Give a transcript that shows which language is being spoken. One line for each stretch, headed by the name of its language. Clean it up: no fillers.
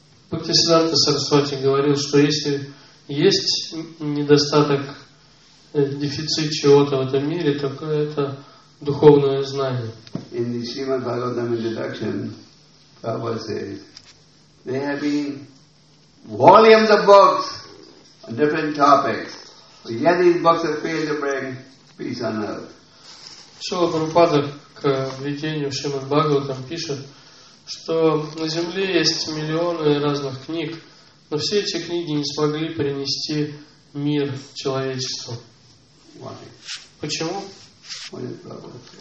Russian: Бхактисиддханта Сарасвати говорил, что если есть недостаток, дефицит чего-то в этом мире, то это духовное знание.
English: In the Srimad Bhagavatam introduction, Prabhupada says, there have been volumes of books on different topics, but yet these books have failed to bring peace on earth.
Russian: Шрила Прабхупада к введению Шримад Бхагаватам пишет, что на Земле есть миллионы разных книг, но все эти книги не смогли принести мир человечеству.
English: Why?
Russian: Почему?
English: What is Prabhupada?